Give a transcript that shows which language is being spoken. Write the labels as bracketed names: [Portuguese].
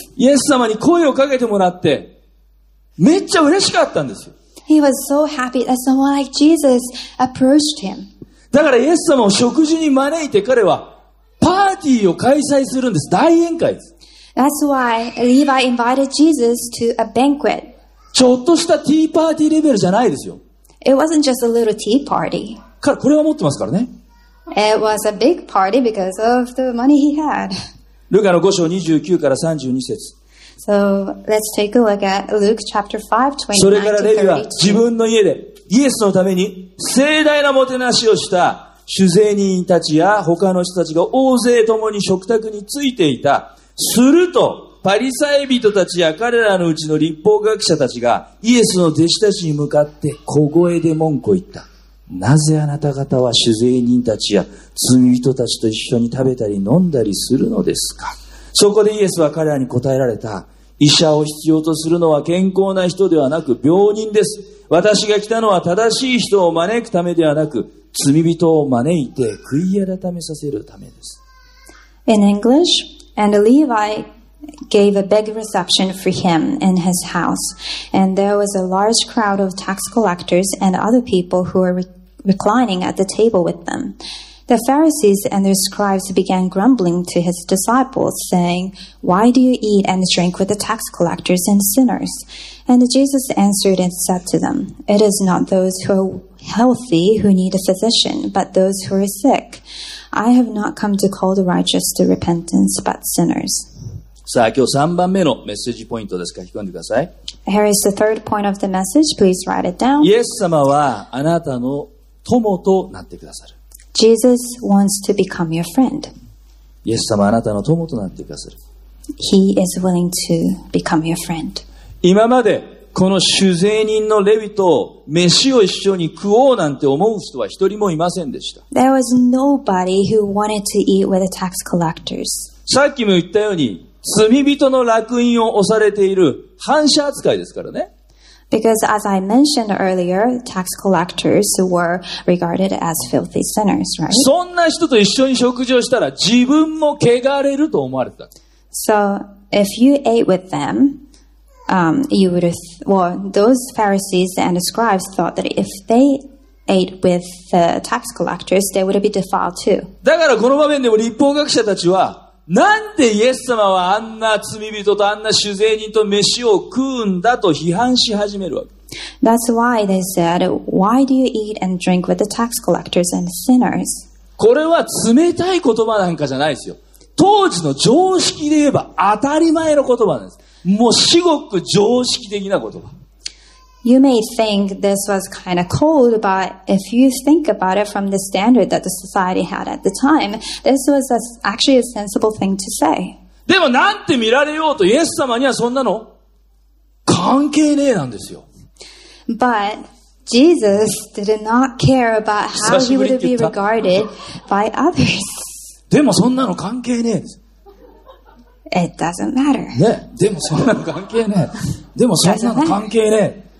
[Japanese] イエス様に声をかけてもらって、めっちゃ嬉しかったんですよ。 [English] He was so happy that someone like Jesus approached him. [Japanese] だからイエス様を食事に招いて彼はパーティーを開催するんです。大宴会です。 [English] That's why Levi invited Jesus to a banquet. [Japanese] ちょっとしたティーパーティーレベルじゃないですよ。 [English] It wasn't just a little tea party. [Japanese] これは持ってますからね。 [English] It was a big party because of the money he had. [Japanese] ルカの5章29から32節。 [English] So, let's take a look at Luke chapter 5, 29 to 32. [Japanese] それからレビは自分の家でイエスのために盛大なもてなしをした。主税人たちや他の人たちが大勢ともに食卓についていた。すると、パリサイ人たちや彼らのうちの律法学者たちがイエスの弟子たちに向かって小声で文句を言った。なぜあなた方は主税人たちや罪人たちと一緒に食べたり飲んだりするのですか。そこでイエスは彼らに答えられた。医者を必要とするのは健康な人ではなく病人です。私が来たのは正しい人を招くためではなく罪人を招いて悔い改めさせるためです。 [English] In English, and Levi,gave a big reception for him in his house. And there was a large crowd of tax collectors and other people who were reclining at the table with them. The Pharisees and their scribes began grumbling to his disciples, saying, Why do you eat and drink with the tax collectors and sinners? And Jesus answered and said to them, It is not those who are healthy who need a physician, but those who are sick. I have not come to call the righteous to repentance, but sinners. [Japanese] さあ、今日3番目のメッセージポイントですか。引き込んでください。 [English] Here is the third point of the message. Please write it down. [Japanese] イエス様はあなたの友となってくださる。 [English] Jesus wants to become your friend. [Japanese] イエス様はあなたの友となってくださる。 [English] He is willing to become your friend. [Japanese] 今までこの主税人のレビと飯を一緒に食おうなんて思う人は一人もいませんでした。 [English] There was nobody who wanted to eat with the tax collectors. [Japanese] さっきも言ったように、罪人の烙印を押されている反社扱いですからね。 [English] Because as I mentioned earlier, tax collectors were regarded as filthy sinners, right? [Japanese] そんな人と一緒に食事をしたら自分も汚れると思われた。 [English] So, if you ate with them, you would well, those Pharisees and scribes thought that if they ate with the tax collectors, they would be defiled too. [Japanese] だからこの場面でも立法学者たちはなんでイエス様はあんな罪人とあんな主税人と飯を食うんだと批判し始めるわけ。 [English] That's why they said, why do you eat and drink with the tax collectors and sinners? [Japanese] これは冷たい言葉なんかじゃないですよ。当時の常識で言えば当たり前の言葉なんです。もう至極常識的な言葉。 [English] You may think this was kind of cold, but if you think about it from the standard that the society had at the time, this was actually a sensible thing to say. [Japanese] でもなんて見られようと、イエス様にはそんなの関係ねえなんですよ。 [English] But Jesus did not care about how he would be regarded by others. [Japanese] でもそんなの関係ねえです。 [English] It doesn't matter. [Japanese] ね、でもそんなの関係ねえ。でもそんなの関係ねえ。